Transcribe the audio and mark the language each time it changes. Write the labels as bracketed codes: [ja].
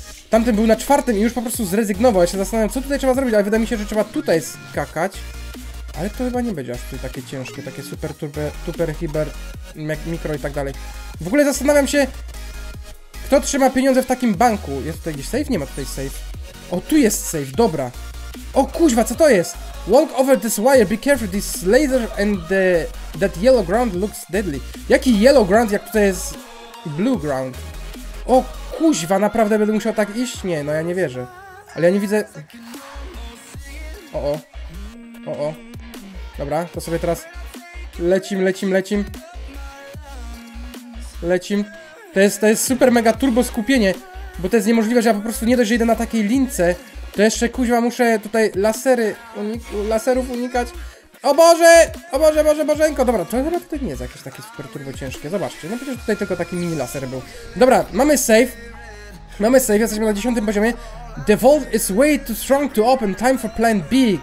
[pl] Tamten był na czwartym i już po prostu zrezygnował. Ja się zastanawiam, co tutaj trzeba zrobić, ale wydaje mi się, że trzeba tutaj skakać. Ale to chyba nie będzie aż tutaj takie ciężkie, takie super turbo, super hiber, mikro i tak dalej. W ogóle zastanawiam się, kto trzyma pieniądze w takim banku. Jest tutaj gdzieś safe? Nie ma tutaj safe. O, tu jest safe, dobra. O kuźwa, co to jest? [en] Walk over this wire, be careful, this laser and the, that yellow ground looks deadly. [pl] Jaki [en] yellow ground, [pl] jak tutaj jest [en] blue ground? [pl] O kuźwa, naprawdę będę musiał tak iść? Nie, no ja nie wierzę. Ale ja nie widzę... O-o. Dobra, to sobie teraz lecim. Lecim. To jest super mega turbo skupienie, bo to jest niemożliwe, że ja po prostu nie dość, że idę na takiej lince, to jeszcze kuźwa muszę tutaj laserów unikać. O Boże, Bożenko. Dobra, to chyba tutaj nie jest jakieś takie super turbo ciężkie. Zobaczcie, no przecież tutaj tylko taki mini laser był. Dobra, mamy save. Mamy save, jesteśmy na 10 poziomie. [en] The vault is way too strong to open, time for plan B.